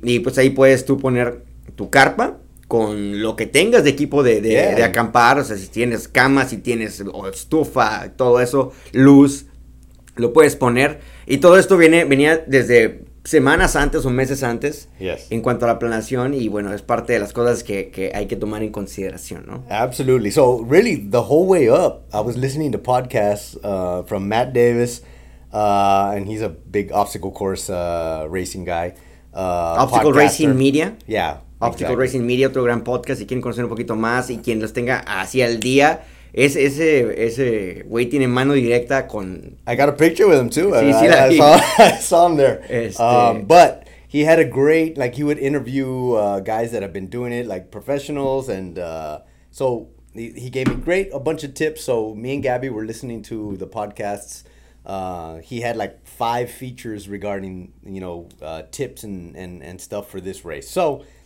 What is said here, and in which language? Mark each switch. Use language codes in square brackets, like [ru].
[es] Y pues ahí puedes tú poner tu carpa con lo que tengas de equipo de acampar. O sea, si tienes cama, si tienes estufa, todo eso, luz, lo puedes poner. Y todo esto venía desde semanas antes o meses antes, [en] yes, [es] en cuanto a la planeación, y bueno, es parte de las cosas que hay que tomar en consideración, ¿no? [en] Absolutely. So, really, the whole way up, I was listening to podcasts from Matt Davis, and he's a big obstacle course racing guy. Obstacle Racing Media. Yeah. Obstacle exactly. Racing Media, [es] otro gran podcast. Si quieren conocer un poquito más y quien los tenga así al día. Es, ese güey tiene mano directa con... [en] I got a picture with him, too. [es] Sí, sí, [en] I saw him there. But he had a great... Like, he would interview guys that have been doing it, like professionals. And so he gave me a bunch of tips. So me and Gabby were listening to the podcasts. He had, like, 5 features regarding, you know, tips and stuff for this race. So...